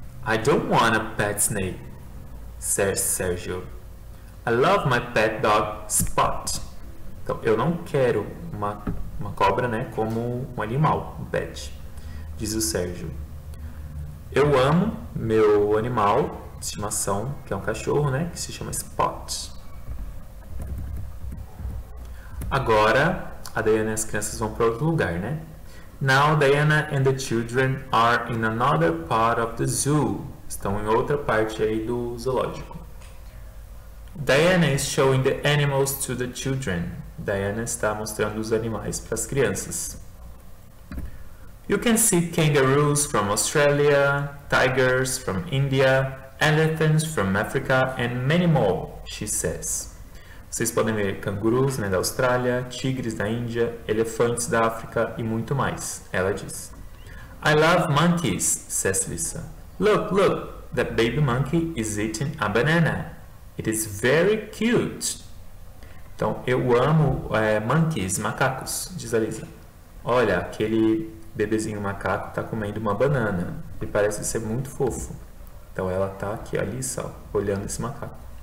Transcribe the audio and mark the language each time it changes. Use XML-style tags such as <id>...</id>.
<en>I don't want a pet snake, says Sergio. I love my pet dog, Spot.</en> <pt>Então, eu não quero uma cobra, né, como um animal, um pet, diz o Sergio. Eu amo meu animal de estimação, que é um cachorro, né, que se chama Spot. Agora, a Diana e as crianças vão para outro lugar, né?</pt> <en>Now, Diana and the children are in another part of the zoo.</en> <pt>Estão em outra parte aí do zoológico.</pt> <en>Diana is showing the animals to the children.</en> <pt>Diana está mostrando os animais para as crianças.</pt> <en>You can see kangaroos from Australia, tigers from India, elephants from Africa, and many more, she says.</en> <pt>Vocês podem ver cangurus, né, da Austrália, tigres da Índia, elefantes da África e muito mais, ela diz.</pt> <en>I love monkeys, says Lisa. Look, look, that baby monkey is eating a banana. It is very cute.</en> <pt>Então, eu amo monkeys, macacos, diz a Lisa. Olha, aquele bebezinho macaco está comendo uma banana. Ele parece ser muito fofo. Então, ela está aqui, a Lisa, ó, olhando esse macaco.</pt>